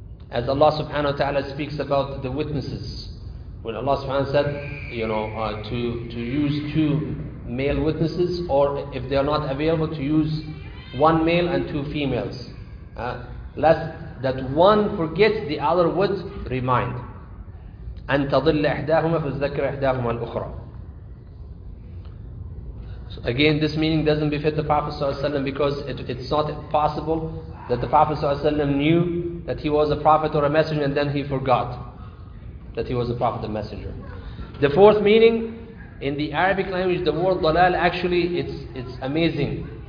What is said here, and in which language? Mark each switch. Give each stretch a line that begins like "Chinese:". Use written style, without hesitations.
English: As Allah subhanahu wa ta'ala speaks about the witnesses, when Allah subhanahu wa ta'ala said, to use two male witnesses, or if they are not available, to use one male and two females, lest that one forgets, the other would remind.
Arabic: أن تضل إحداهما فذكر إحداهما الأخرى.
English: So again, this meaning doesn't befit the Prophet sallallahu alaihi wasallam because it's not possible that the Prophet sallallahu alaihi wasallam knew that he was a prophet or a messenger and then he forgot that he was a prophet or messenger. The fourth meaning in the Arabic language, the word dalal, actually it's amazing.